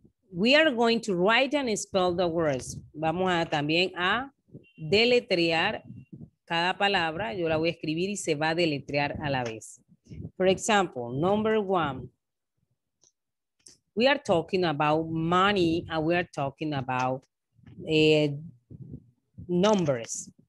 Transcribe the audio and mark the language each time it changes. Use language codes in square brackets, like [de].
[en] We are going to write and spell the words. [es] Vamos a también a deletrear cada palabra. Yo la voy a escribir y se va a deletrear a la vez. [en] For example, number one. We are talking about money and we are talking about numbers.